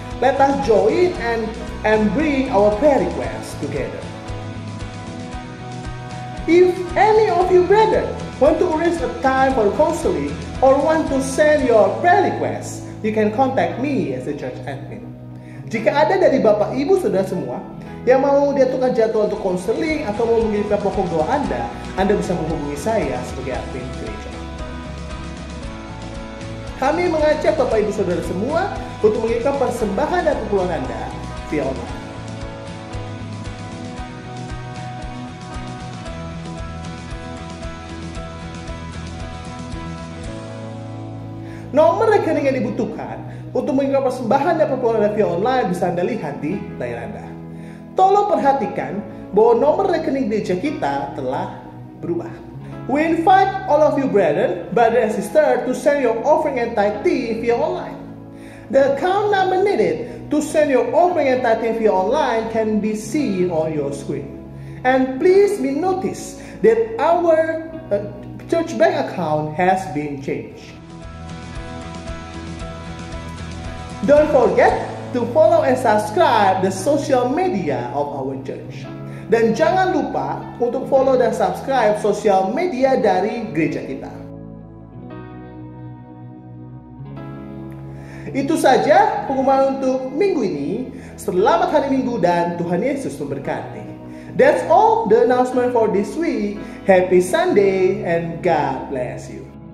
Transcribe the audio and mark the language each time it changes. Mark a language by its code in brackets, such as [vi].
[en] Let us join and bring our prayer requests together. If any of you brethren want to arrange a time for counseling or want to send your prayer requests, you can contact me as a church admin. [id] Jika ada dari Bapak Ibu Saudara semua yang mau diaturkan jadwal untuk counseling atau mau mengirimkan pokok doa Anda, Anda bisa menghubungi saya sebagai admin gereja. Kami mengajak Bapak Ibu Saudara semua untuk mengirimkan persembahan dan kepuluhan Anda via online. Nomor rekening yang dibutuhkan untuk mengirimkan persembahan dan kepuluhan Anda via online bisa Anda lihat di layar Anda. Tolong perhatikan bahwa nomor rekening gereja kita telah berubah. [en] We invite all of you brother and sister to send your offering and tithe via online. The account number needed to send your offering and tithe via online can be seen on your screen. And please be noticed that our church bank account has been changed. Don't forget to follow and subscribe the social media of our church. [id] Dan jangan lupa untuk follow dan subscribe sosial media dari gereja kita. Itu saja pengumuman untuk minggu ini. Selamat hari Minggu dan Tuhan Yesus memberkati. [en] That's all the announcement for this week. Happy Sunday and God bless you.